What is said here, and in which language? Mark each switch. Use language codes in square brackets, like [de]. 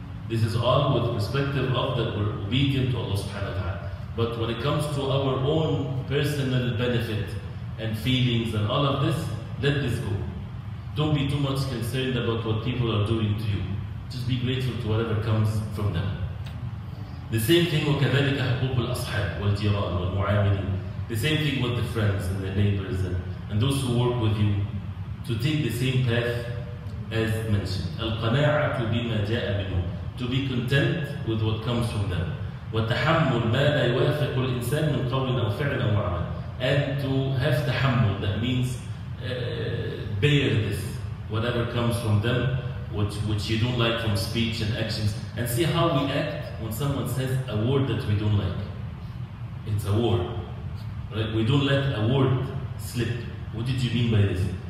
[en] This is all with perspective of that we're obedient to Allah subhanahu wa ta'ala. But when it comes to our own personal benefit and feelings and all of this, let this go. Don't be too much concerned about what people are doing to you. Just be grateful to whatever comes from them. The same thing [ar] وكذلك حقوق الأصحاب والجيران والمعاملين. [en] The same thing with the friends and the neighbors and those who work with you, to take the same path as mentioned. [ar] القناعة بما جاء منه. [en] To be content with what comes from them. [ar] وتحمل ما لا يوافق الإنسان من قول أو فعل أو عمل. [en] And to have تحمل, that means bear this, whatever comes from them, which you don't like from speech and actions. And see how we act when someone says a word that we don't like. It's a word, right? We don't let a word slip. What did you mean by this?